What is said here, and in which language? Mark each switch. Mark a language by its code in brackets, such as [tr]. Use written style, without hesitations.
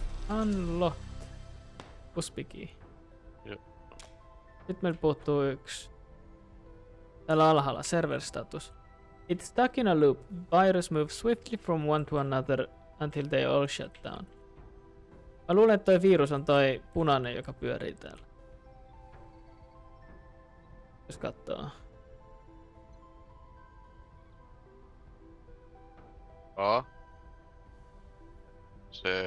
[en] Unlocked. USB key. [fi] Jep. Nyt meillä puuttuu yksi. Täällä alhaalla server status. [en] It's stuck in a loop. Virus moves swiftly from one to another until they all shut down. [fi] Mä luulen, että toi virus on toi punainen, joka pyörii täällä. Jos kattoo. A. C.